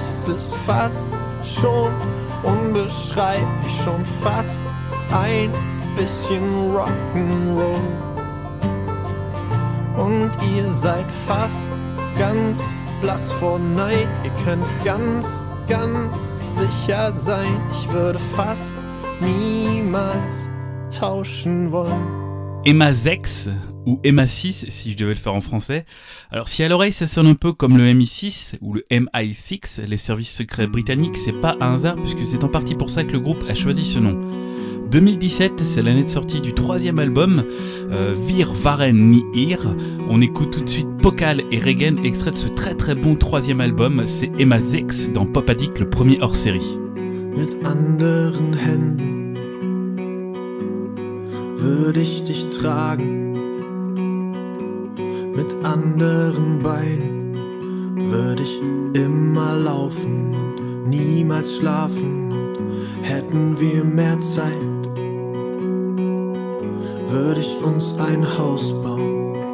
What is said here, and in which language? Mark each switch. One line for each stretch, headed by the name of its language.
German: Es ist fast schon unbeschreiblich, schon fast ein bisschen Rock'n'Roll. Und ihr seid fast ganz blass vor Neid. Ihr könnt ganz, ganz sicher sein. Ich würde fast niemals tauschen wollen.
French: Emma 6 ou Emma 6, si je devais le faire en français. Alors si à l'oreille ça sonne un peu comme le MI6 ou le MI6, les services secrets britanniques, c'est pas un hasard puisque c'est en partie pour ça que le groupe a choisi ce nom. 2017, c'est l'année de sortie du troisième album, Wir waren nie hier. On écoute tout de suite Pokal et Regen, extrait de ce très très bon troisième album, c'est Emma 6 dans Pop Addict, le premier hors série.
German: Mit anderen Händen würde ich dich tragen, mit anderen Beinen würde ich immer laufen und niemals schlafen, und hätten wir mehr Zeit, würde ich uns ein Haus bauen.